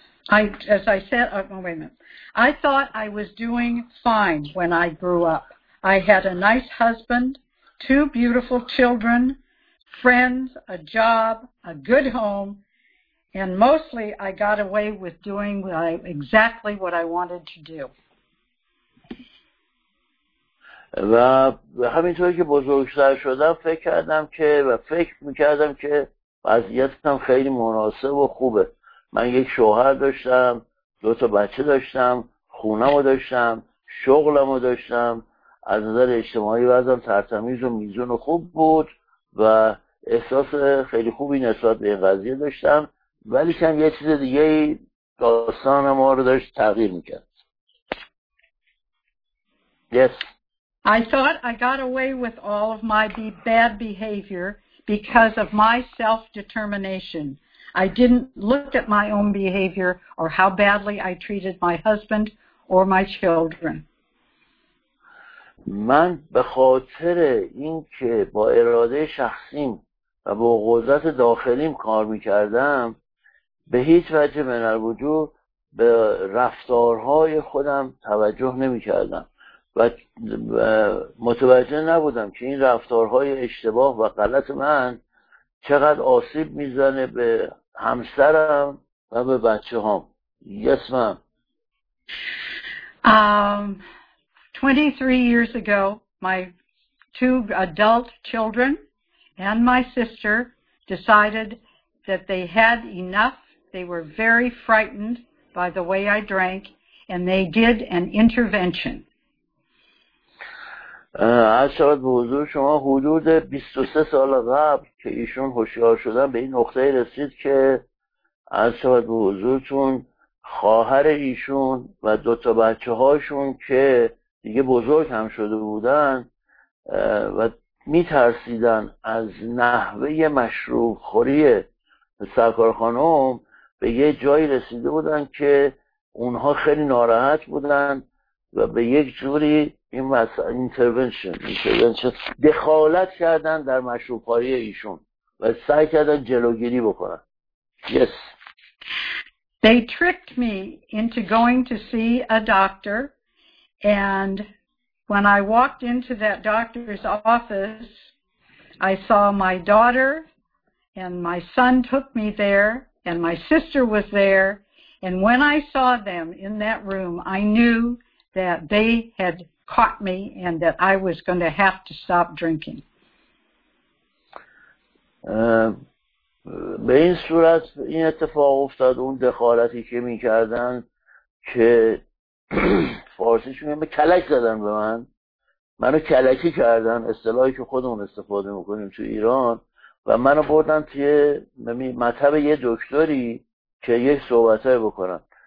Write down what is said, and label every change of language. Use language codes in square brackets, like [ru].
[en] I thought I was doing fine when I grew up. I had a nice husband, two beautiful children, friends, a job, a good home, and mostly I got away with doing exactly what I wanted to do. [fa] و همینطور که بزرگتر شدم فکر می‌کردم که وضعیتم خیلی مناسب و خوبه. من یک شوهر داشتم، دو تا بچه داشتم، خونه‌مو داشتم، شغلمو داشتم، از نظر اجتماعی وضعم ترتمیز و میزون خوب بود و احساس خیلی خوبی نسبت به این قضیه داشتم، ولی کم یه چیز دیگه داستان ما رو داشت تغییر میکرد. [en] Yes. I thought I got away with all of my bad behavior because of my self-determination. I didn't look at my own behavior or how badly I treated my husband or my children. [fa] من به خاطر اینکه با اراده شخصیم و با قدرت داخلیم کار می‌کردم به هیچ وجه من الوجود به رفتارهای خودم توجه نمی‌کردم و متوجه نبودم که این رفتارهای اشتباه و غلط من چقدر آسیب می‌زنه به همسرم و به بچه‌هام. [en] Yes, ma'am. 23 years ago, my two adult children and my sister decided that they had enough. They were very frightened by the way I drank, and they did an intervention. [fa] از شاید به حضور شما حدود 23 سال قبل که ایشون هوشیار شدن به این نقطه رسید که از شاید به حضورتون خواهر ایشون و دوتا بچه هاشون که دیگه بزرگ هم شده بودن و میترسیدن از نحوه مشروب خوری سرکار خانم به یه جایی رسیده بودن که اونها خیلی ناراحت بودن و به یک جوری این مثلا اینترونشن دخالت کردن در مشروب خوری ایشون و سعی کردن جلوگیری بکنن. [en] Yes. They tricked me into going to see a doctor. And when I walked into that doctor's office, I saw my daughter, and my son took me there, and my sister was there. And when I saw them in that room, I knew that they had caught me and that I was going to have to stop drinking. [fa] به این صورت این اتفاق افتاد، اون دخالتی که می کردن که فارسیشون کلک زدن به من، منو کلکی کردن، اصطلاحی که خودمون استفاده میکنیم تو ایران، و منو بردن توی مطب یه دکتری که یه صحبتای بکنم.